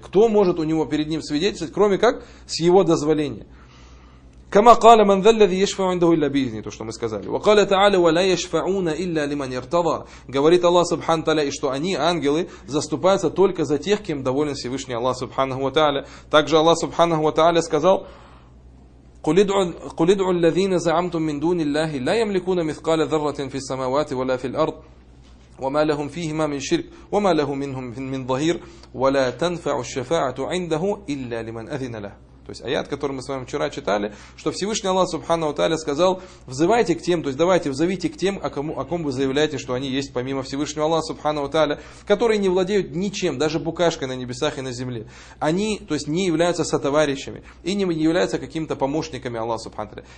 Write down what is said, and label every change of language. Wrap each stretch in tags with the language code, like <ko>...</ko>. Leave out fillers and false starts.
<ru>Кто может у него перед ним свидетельствовать, кроме как с его дозволения?</ru> <ar>Кама каля ман заллази йашфау индаху илля биизни,</ar> <ru>то, что мы сказали.</ru> <ar>Ва каля тааля ва ла йашфауна илля лиман иртада.</ar> <ru>Говорит Аллах Субхану Тааля, и что они, ангелы, заступаются только за тех, кем доволен Всевышний Аллах Субхану ва Тааля. Также Аллах Субхану ва Тааля сказал,</ru> <ar>قل ادعوا الذين زعمتم من دون الله لا يملكون مثقال ذرة في السماوات ولا في الأرض وما لهم فيهما من شرك وما له منهم من ظهير ولا تنفع الشفاعة عنده إلا لمن أذن له.</ar> <ru>То есть аят, который мы с вами вчера читали, что Всевышний Аллах Субхану Тааля сказал, взывайте к тем, то есть давайте, взовите к тем, о ком вы заявляете, что они есть помимо Всевышнего Аллаха Субхану Тааля, которые не владеют ничем, даже букашкой на небесах и на земле. Они, то есть не являются сотоварищами и не являются какими-то помощниками Аллаха Субхану Тааля.</ru>